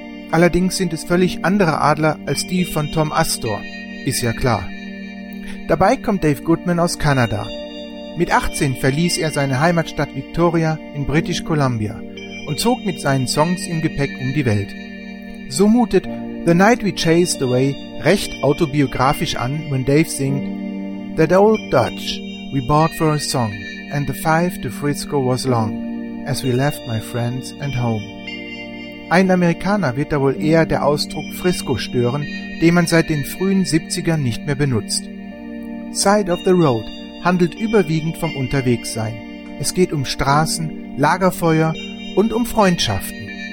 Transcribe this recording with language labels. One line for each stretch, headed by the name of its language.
German: Allerdings sind es völlig andere Adler als die von Tom Astor, ist ja klar. Dabei kommt Dave Goodman aus Kanada. Mit 18 verließ er seine Heimatstadt Victoria in British Columbia und zog mit seinen Songs im Gepäck um die Welt. So mutet The Night We Chased Away recht autobiografisch an, wenn Dave singt
English: That old Dutch we bought for a song and the five to Frisco was long as we left my friends and home.
German: Ein Amerikaner wird da wohl eher der Ausdruck Frisco stören, den man seit den frühen 70ern nicht mehr benutzt. Side of the Road handelt überwiegend vom Unterwegssein. Es geht um Straßen, Lagerfeuer und um Freundschaften.